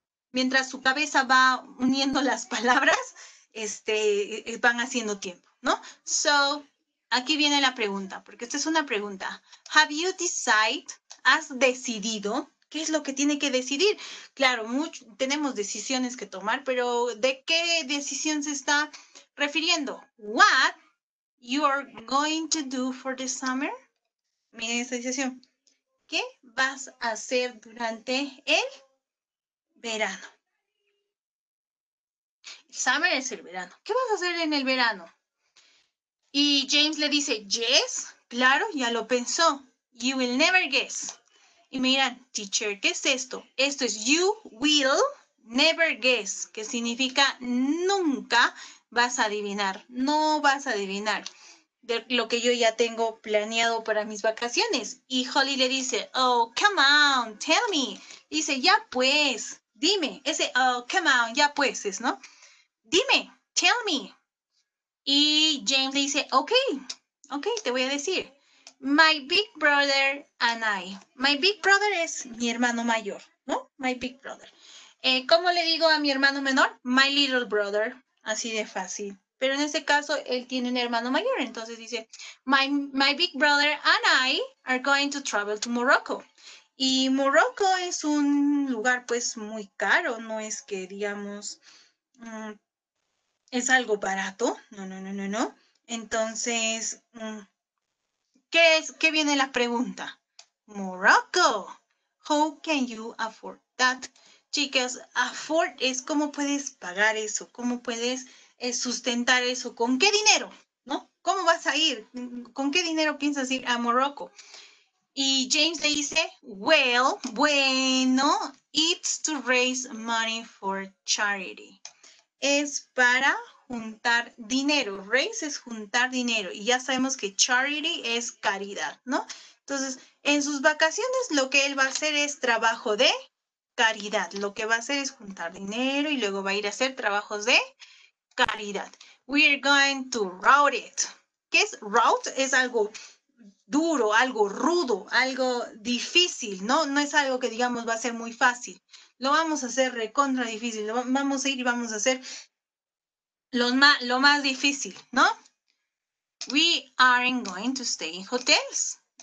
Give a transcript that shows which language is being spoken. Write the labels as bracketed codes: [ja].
[es] Mientras su cabeza va uniendo las palabras, este, van haciendo tiempo, ¿no? So, aquí viene la pregunta, porque esta es una pregunta. [en] Have you decided? [es] ¿Has decidido? ¿Qué es lo que tiene que decidir? Claro, tenemos decisiones que tomar, pero ¿de qué decisión se está refiriendo? [en] What you are going to do for the summer? [es] Miren esta decisión. ¿Qué vas a hacer durante el verano? Summer es el verano. ¿Qué vas a hacer en el verano? Y James le dice, yes, claro, ya lo pensó. [en] You will never guess. [es] Y miran, teacher, ¿qué es esto? Esto es [en] you will never guess, [es] que significa nunca vas a adivinar. No vas a adivinar de lo que yo ya tengo planeado para mis vacaciones. Y Holly le dice, [en] oh, come on, tell me. [es] Dice, ya pues, dime. Ese, [en] oh, come on, [es] ya pues, es, ¿no? Dime, [en] tell me. [es] Y James dice, ok, te voy a decir. [en] My big brother and I. My big brother [es] es mi hermano mayor, ¿no? [en] My big brother. [es] ¿Cómo le digo a mi hermano menor? [en] My little brother. [es] Así de fácil. Pero en este caso, él tiene un hermano mayor. Entonces dice, [en] my big brother and I are going to travel to Morocco. [es] Y Morocco es un lugar, pues, muy caro. No es que, digamos... es algo barato. No. Entonces, ¿qué es? ¿Qué viene la pregunta? Morocco. [en] How can you afford that? [es] Chicas, afford es cómo puedes pagar eso, cómo puedes sustentar eso, con qué dinero, ¿no? ¿Cómo vas a ir? ¿Con qué dinero piensas ir a Morocco? Y James le dice, [en] well, [es] bueno, [en] it's to raise money for charity. [es] Es para juntar dinero. Raise es juntar dinero. Y ya sabemos que charity es caridad, ¿no? Entonces, en sus vacaciones lo que él va a hacer es trabajo de caridad. Lo que va a hacer es juntar dinero y luego va a ir a hacer trabajos de caridad. [en] We're going to route it. [es] ¿Qué es route? Es algo duro, algo rudo, algo difícil, ¿no? No es algo que, digamos, va a ser muy fácil. Lo vamos a hacer recontra difícil. Vamos a ir y vamos a hacer lo más difícil, ¿no? [en] We aren't going to stay in hotels.